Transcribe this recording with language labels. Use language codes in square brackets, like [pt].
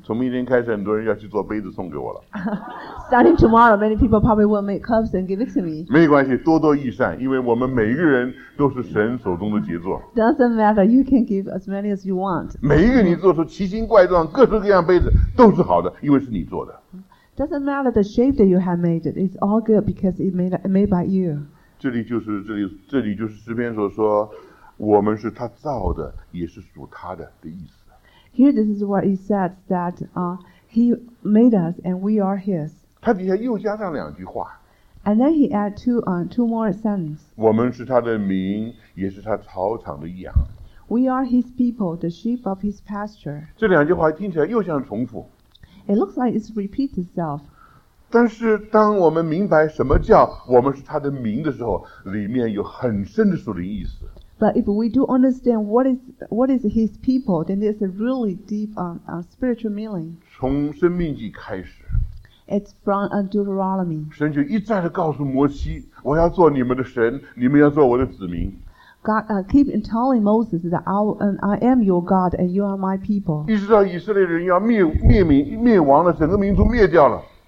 [zh] 从明天开始，很多人要去做杯子送给我了。 [en] Starting tomorrow, many people probably will make cups and give it to me. [zh] 没关系，多多益善，因为我们每一个人都是神手中的杰作。 [en] Doesn't matter, you can give as many as you want. [zh] 每一个你做出奇形怪状、各式各样杯子都是好的，因为是你做的。 [en] Doesn't matter the shape that you have made it. It's all good because it made by you. [zh] 这里就是诗篇所说，我们是他造的，也是属他的意思。 [en] Here, this is what he said, that he made us and we are his. [zh] 他底下又加上两句话。 [en] And then he added two more sentences. [zh] 我们是他的民，也是他草场的羊。 [en] We are his people, the sheep of his pasture. [zh] 这两句话听起来又像重复。 [en] It looks like it repeats itself. [zh] 但是当我们明白什么叫我们是他的名的时候，里面有很深的属灵意思。 [en] But if we do understand what is His people, then there's a really deep spiritual meaning. [zh] 从生命记开始。 [en] It's from Deuteronomy. [zh] 神就一再的告诉摩西，我要做你们的神，你们要做我的子民。 [en] God keep telling Moses that I am your God and you are my people. [zh] 一直到以色列人要灭亡了，整个民族灭掉了。